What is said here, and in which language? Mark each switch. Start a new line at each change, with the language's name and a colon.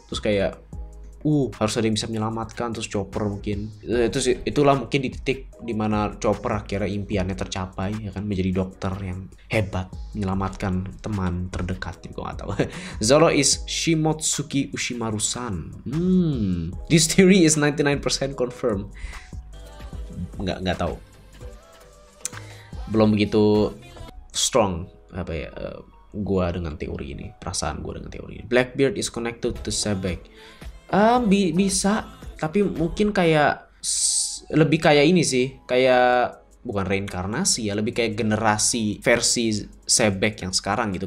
Indonesian: Terus kayak harus ada yang bisa menyelamatkan, terus Chopper mungkin. Terus itulah mungkin di titik di mana Chopper akhirnya impiannya tercapai, ya kan, menjadi dokter yang hebat, menyelamatkan teman terdekat, gue enggak tahu.
English: Zoro is Shimotsuki Ushimaru-san. This theory is 99% confirmed.
Indonesian: Enggak tahu. Belum begitu strong apa ya gua dengan teori ini, perasaan gua dengan teori ini.
English: Blackbeard is connected to Sabaody.
Indonesian: Bisa, tapi mungkin kayak lebih kayak ini sih, kayak bukan reinkarnasi ya, lebih kayak generasi versi Sabaody yang sekarang gitu.